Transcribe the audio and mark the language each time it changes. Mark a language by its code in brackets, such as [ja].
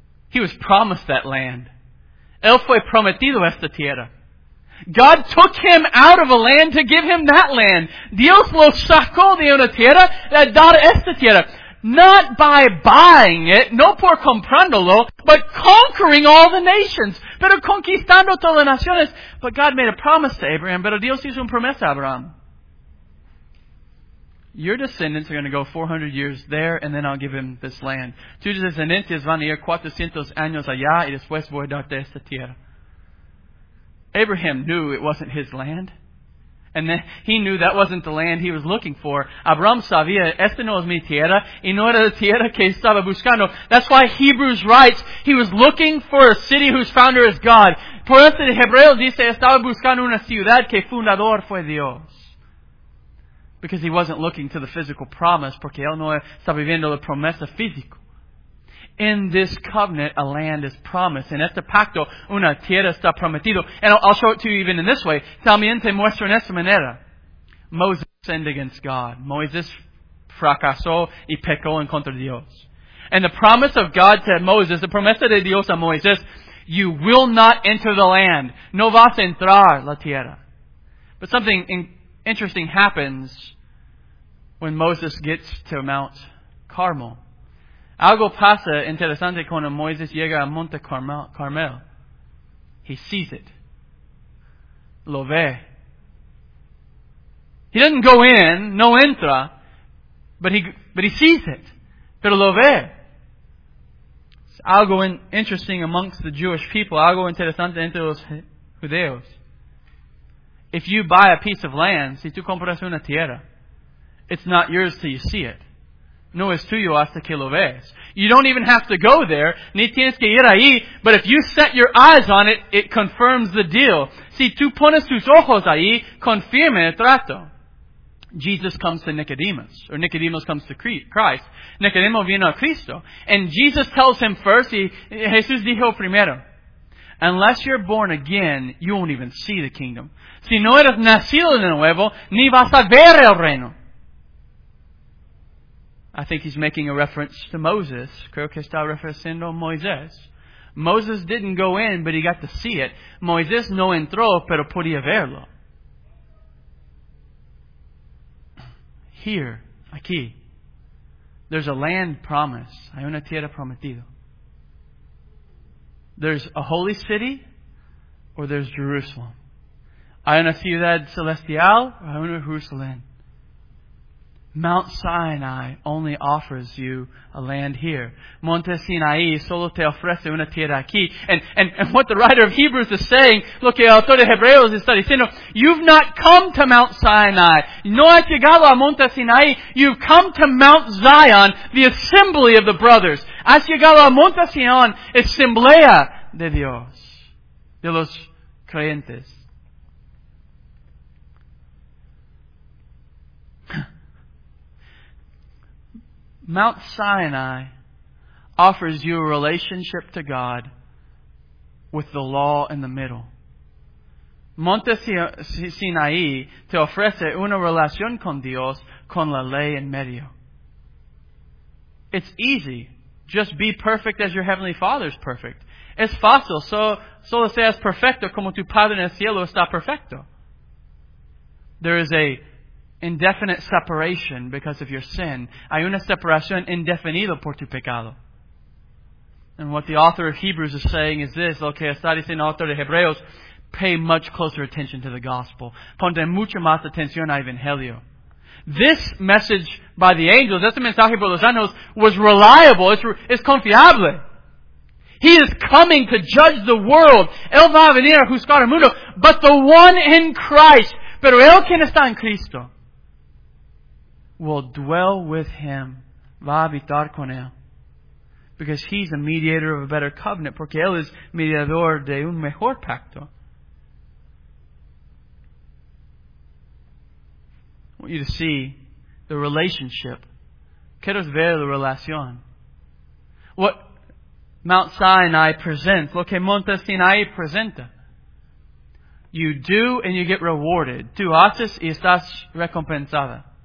[en] He was promised that land. [es] Él fue prometido esta tierra. [en] God took him out of a land to give him that land. [es] Dios lo sacó de una tierra a dar esta tierra. [en] Not by buying it, [es] no por comprándolo, [en] but conquering all the nations. [es] Pero conquistando todas las naciones. [en] But God made a promise to Abraham, [es] pero Dios hizo una promesa a Abraham. [en] Your descendants are going to go 400 years there, and then I'll give him this land. [es] Tus descendientes van a ir 400 años allá, y después voy a darte esta tierra. [en] Abraham knew it wasn't his land. And then he knew that wasn't the land he was looking for. [es] Abraham sabía, esta no es mi tierra, y no era la tierra que estaba buscando. [en] That's why Hebrews writes, he was looking for a city whose founder is God. [es] Por eso en Hebreo dice, estaba buscando una ciudad que fundador fue Dios. [en] Because he wasn't looking to the physical promise, [es] porque él no estaba viviendo la promesa física. [en] In this covenant, a land is promised. [es] En este pacto, una tierra está prometido. [en] And I'll show it to you even in this way. [es] También te muestro en esta manera. [en] Moses sinned against God. [es] Moses fracasó y pecó en contra de Dios. [en] And the promise of God to Moses, the [es] promesa de Dios a Moisés, [en] you will not enter the land. [es] No vas a entrar la tierra. [en] But something interesting happens when Moses gets to Mount Carmel. [es] Algo pasa interesante cuando Moisés llega a Monte Carmel. [en] He sees it. [es] Lo ve. [en] He doesn't go in, [es] no entra, [en] but he sees it. [es] Pero lo ve. [en] It's algo interesting amongst the Jewish people. [es] Algo interesante entre los judeos. [en] If you buy a piece of land, [es] si tú compras una tierra, [en] it's not yours till you see it. [es] No es tuyo hasta que lo ves. [en] You don't even have to go there, [es] ni tienes que ir ahí, [en] but if you set your eyes on it, it confirms the deal. [es] Si tú pones tus ojos ahí, confirma el trato. [en] Jesus comes to Nicodemus, or Nicodemus comes to Christ. [es] Nicodemo vino a Cristo. [en] And Jesus tells him first, [es] Jesús dijo primero, [en] unless you're born again, you won't even see the kingdom. [es] Si no eres nacido de nuevo, ni vas a ver el reino. [en] I think he's making a reference to Moses. [es] Creo que está refiriendo a Moisés. [en] Moses didn't go in, but he got to see it. [es] Moisés no entró, pero podía verlo. [en] Here, aquí, there's a land promise. [es] Hay una tierra prometida. [en] There's a holy city, or there's Jerusalem. [es] Hay una ciudad celestial, o hay una Jerusalén. [en] Mount Sinai only offers you a land here. [es] Monte Sinai solo te ofrece una tierra aquí. [en] And what the writer of Hebrews is saying, [es] lo que el autor de Hebreos [en] está diciendo, you've not come to Mount Sinai. [es] No has llegado a Monte Sinai. [en] You've come to Mount Zion, the assembly of the brothers. [es] Has llegado a Monte Sion, asamblea de Dios, de los creyentes. [en] Mount Sinai offers you a relationship to God with the law in the middle. [es] Monte Sinaí te ofrece una relación con Dios con la ley en medio. [en] It's easy. Just be perfect as your Heavenly Father is perfect. [es] Es fácil. Solo seas perfecto como tu Padre en el cielo está perfecto. [en] There is a indefinite separation because of your sin. [es] Hay una separación indefinida por tu pecado. [en] And what the author of Hebrews is saying is this, [es] lo que está diciendo el autor de Hebreos, [en] pay much closer attention to the gospel. [es] Ponte mucha más atención al Evangelio. [en] This message by the angels, [es] este mensaje por los ángeles, [en] was reliable, it's confiable. He is coming to judge the world. [es] Él va a venir a juzgar el mundo, [en] but the one in Christ, [es] pero el que está en Cristo, [en] will dwell with him, [es] va a habitar con él. [en] Because he's a mediator of a better covenant, [es] porque él es mediador de un mejor pacto. [en] I want you to see the relationship. [es] Quiero ver la relación. [en] What Mount Sinai presents, [es] lo que Monte Sinai presenta. [en] You do and you get rewarded. [es] Tú haces y estás recompensada.